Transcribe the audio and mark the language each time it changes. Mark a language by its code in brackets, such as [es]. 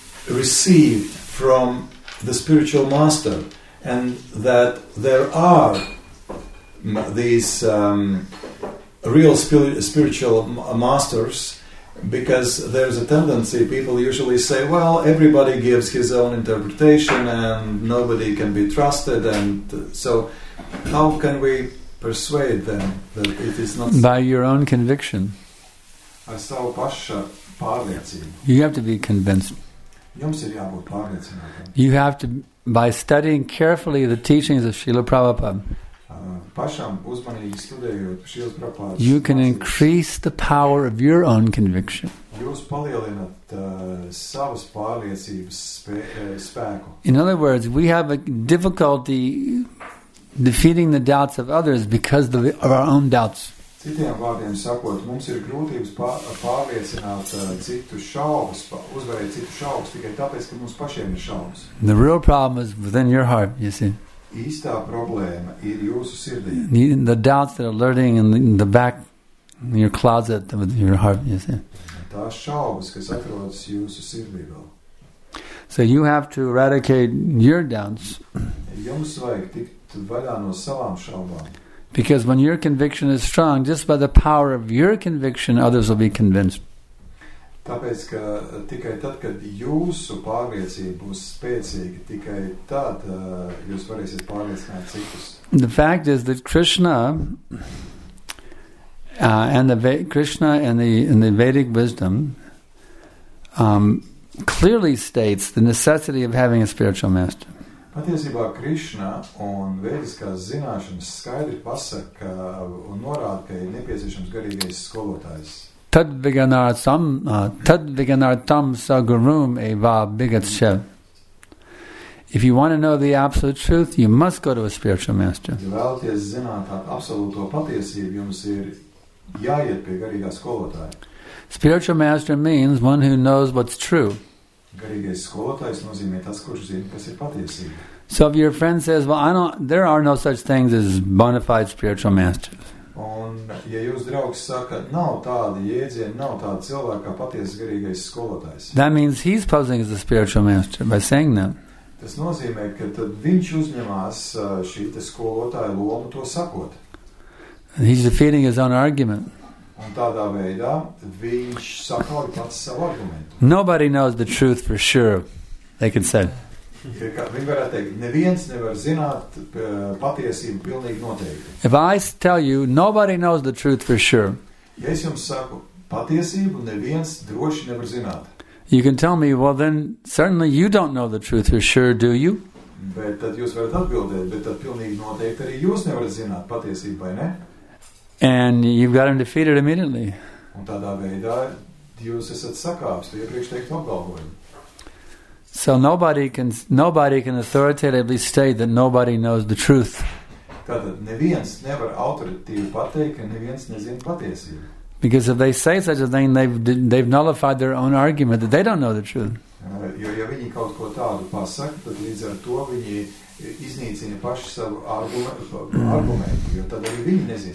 [en] received from the spiritual master, and that there are these real spiritual masters? Because there's a tendency, people usually say, well, everybody gives his own interpretation and nobody can be trusted. And so how can we persuade them that it is not... By your own conviction. [lv] Ar savu pašu pārliecību. [en] You have to be convinced. [lv] Jums ir jābūt pārliecināt. [en] You have to, by studying carefully the teachings of Srila Prabhupada, you can increase the power of your own conviction. In other words, we have a difficulty defeating the doubts of others because of our own doubts. [lv] Citiem vārdiem sakot, mums ir grūtības pārliecināt citus šaubas, uzvarēt citus šaubas, tikai tāpēc, ka mums pašiem ir šaubas. [en] The real problem is within your heart, you see. [lv] Īstā problēma ir jūsu sirdī. [en] The doubts that are lurking in the back, in your closet, with your heart, you see. [lv] Tās šaubas, kas atrodas jūsu sirdī vēl. [en] So you have to eradicate your doubts. [lv] Jums vajag tikt vaļā no savām šaubām. [en] Because when your conviction is strong, just by the power of your conviction, others will be convinced. [lv] Tāpēc, ka tikai tad, kad jūsu pārliecība būs spēcīga, tikai tad jūs varēsiet pārliecināt citus. [en] The fact is that Krishna and the Vedic wisdom clearly states the necessity of having a spiritual master. [lv] Patiesībā Krishna un vēdiskās zināšanas skaidri pasaka un norāda, ka ir nepieciešams garīgais skolotājs. [sa] Tad viganartam sagurum eva bigatshe. [en] If you want to know the absolute truth, you must go to a spiritual master. [lv] Ja vēlaties zināt absolūto patiesību, jums ir jāiet pie garīgā skolotāja. [en] Spiritual master means one who knows what's true. [lv] Garīgais skolotājs nozīmē tas, kurš zina, kas ir patiesība. [en] So if your friend says, well, I don't, there are no such things as bona fide spiritual masters. [lv] Un, ja jūs draugs saka, nav tāda jēdziena, nav tāda cilvēka, kā patiesa garīgais skolotājs. [en] That means he's posing as a spiritual master by saying that. [lv] Tas nozīmē, ka tad viņš uzņemās šī te skolotāja lomu to sakot. [en] And he's defeating his own argument. [lv] Un tādā veidā viņš sakauj pats savu argumentu. [en] Nobody knows the truth for sure, they can say. [lv] Viņi varētu teikt, neviens nevar zināt patiesību pilnīgi noteikti. [en] If I tell you, nobody knows the truth for sure. [lv] Ja es jums saku patiesību, neviens droši nevar zināt. [en] You can tell me, well then, certainly you don't know the truth for sure, do you? [lv] Bet tad jūs varat atbildēt, bet tad pilnīgi noteikti arī jūs nevarat zināt patiesību, vai ne? [en] And you've got him defeated immediately. [lv] Un tādā veidā jūs esat sakāps, tu iepriekš teikt apgalvojumu. [en] So nobody can authoritatively state that nobody knows the truth. [lv] Tātad neviens nevar autoritatīvi pateikt, ka neviens nezina patiesību. [en] Because if they say such a thing, they've nullified their own argument that they don't know the truth. [lv] Jo, ja viņi kaut ko tādu pasaka, tad līdz ar to viņi iznīcina paši savu argumentu, jo tad arī viņi nezina.